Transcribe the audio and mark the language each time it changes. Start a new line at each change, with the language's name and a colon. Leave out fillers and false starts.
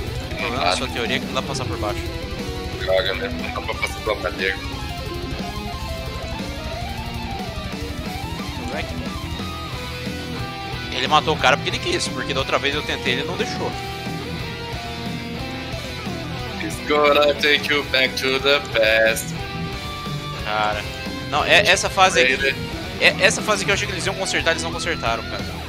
Portuguese: Tem um problema na sua teoria que não dá pra passar por baixo. Droga, né? Não dá pra passar pela madeira. Ele matou o cara porque ele quis, porque da outra vez eu tentei e ele não deixou.
English: He's gonna take you back to the past.
Portuguese: Cara. Não, é essa fase aqui. É essa fase que eu achei que eles iam consertar, eles não consertaram, cara.